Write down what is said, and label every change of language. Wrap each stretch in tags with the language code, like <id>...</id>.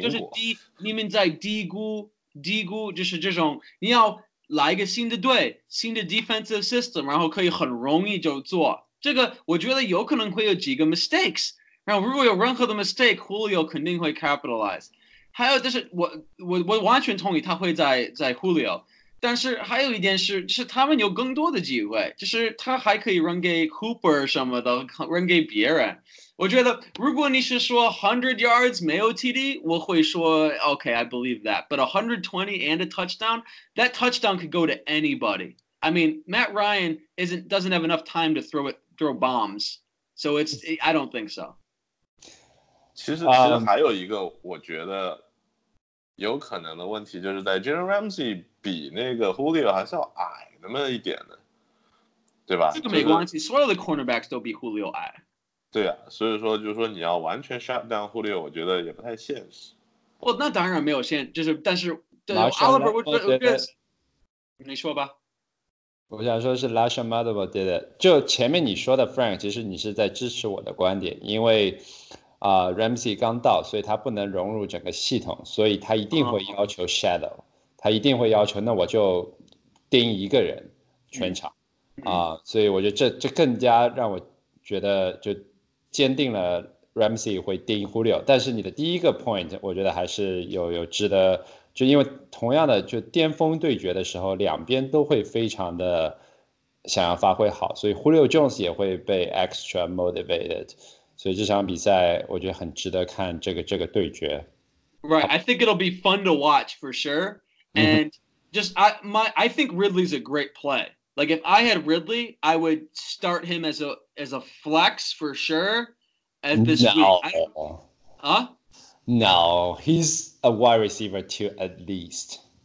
<zh>就是低，你们在低估，就是这种你要来一个新的队，新的 defensive system， 然后可以很容易就做这个，我觉得有可能会有几个 mistakes， 然后如果有任何的 mistake， Julio 肯定会 capitalize， 还有就是我完全同意他会在 Julio。但是还有一件事，就是他们有更多的机会，就是他还可以run给 Cooper 什么的，run给别人。我觉得如果你是说 100 yards 没有 TD， 我会说 OK，</zh> <en>I believe that。 But 120 and a touchdown， that touchdown could go to anybody。 I mean， Matt Ryan doesn't have enough time to throw bombs， so it's I don't think so。</en> <zh>其实还有一个我觉得有可能的问题，就是在 Jalen Ramsey 比那个 Julio 还是要矮那么一点的，对吧？这个没关系，所有的 cornerbacks 都比 Julio 矮。对啊，所以说就是说你要完全 shut down Julio， 我觉得也不太现实。哦，那当然没有现，就是但是对 Oliver， 我觉得你说吧。我想说是 LaShawn Mathieu</zh> <en>did it。</en> <zh>就前面你说的 Frank， 其实你是在支持我的观点，因为。 Ramsey 刚到，所以他不能融入整个系统，所以他一定会要求 shadow，他一定会要求，那我就盯一个人全场所以我觉得这更加让我觉得就坚定了 Ramsey 会盯 Julio。但是你的第一个 point 我觉得还是有值得，就因为同样的就巅峰对决的时候，两边都会非常的想要发挥好，所以 Julio Jones 也会被 extra motivated，所以这场比赛我觉得很值得看这个对决。</zh> <en>Right, I think it'll be fun to watch for sure. And just, I think Ridley's a great play. Like if I had Ridley, I would start him as a flex for sure. At this no. week. No. Huh? No, he's a wide receiver too, at least.</en>